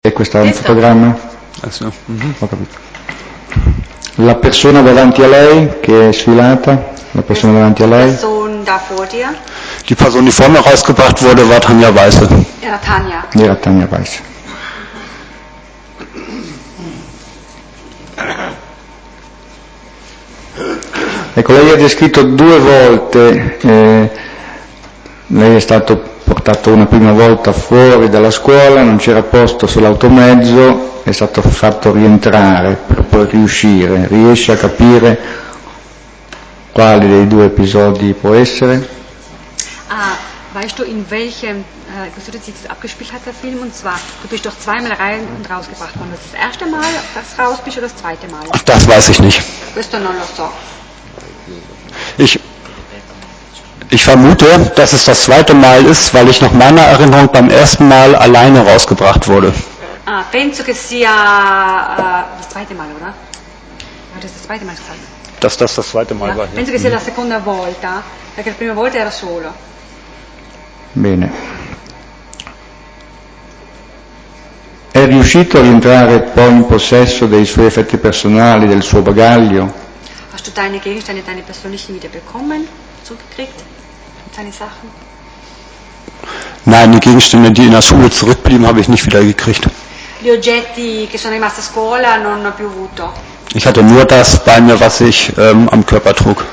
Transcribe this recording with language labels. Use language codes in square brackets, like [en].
[it] E questo è un fotogramma? Sì. Mm-hmm. Ho capito. La persona davanti a lei che è sfilata, la persona davanti a lei. [de] Die Person, die vor mir rausgebracht wurde, war Tanja Weiße. [it] Era Tanja Weiße. Ecco, lei ha descritto due volte, lei è stato portato una prima volta fuori dalla scuola, non c'era posto sull'automezzo, è stato fatto rientrare per poi riuscire. Riesce a capire quale dei due episodi può essere? [de] Weißt du, in welchem, wieso du dich abgespielt hat, der Film? Und zwar, du bist doch zweimal rein und rausgebracht worden. Das ist das erste Mal, dass du raus bist, oder das zweite Mal? Ach, das weiß ich nicht. Bist du noch nicht so? Ich vermute, dass es das zweite Mal ist, weil ich nach meiner Erinnerung beim ersten Mal alleine rausgebracht wurde. [it] Ah, penso che sia [de] das zweite Mal, oder? Ja, das ist das zweite Mal gesagt. Dass das das zweite Mal war. [it] Penso che sia la seconda volta, perché la prima volta era solo. Bene. È riuscito a rientrare poi in possesso dei suoi effetti personali, del suo bagaglio? [de] Hast du deine Gegenstände, deine persönlichen wieder bekommen, zurückgekriegt, deine Sachen? Nein, die Gegenstände, die in der Schule zurückblieben, habe ich nicht wieder gekriegt. [it] Gli oggetti che sono rimasti a scuola non ho più avuto. [de] Ich hatte nur das bei mir, was ich am Körper trug.